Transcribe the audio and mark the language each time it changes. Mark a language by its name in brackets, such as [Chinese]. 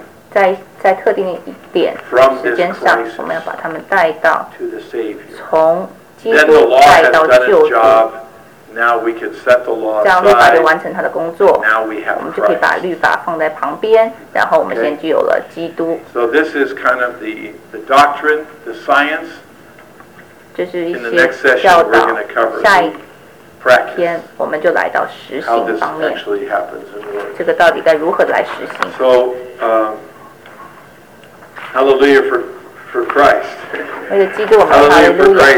[Chinese] 在特定的一点时间上，我们要把他们带到从。 [English] Then the law has done its job. Now we can set the law aside. [Chinese] 这样律法就完成他的工作。 [English] Now we have. [Chinese] 我们就可以把律法放在旁边，然后我们先具有了基督。 [English] So this is kind of the doctrine, the science. [Chinese] 这是一些教导。 [English] In the next session, we're going to cover. [Chinese] 下一天我们就来到实行方面。 [English] How this actually happens in the world. [Chinese] 这个到底该如何来实行 [English] ？So, hallelujah for for Christ. [Chinese] 为了基督，我们哈利路亚。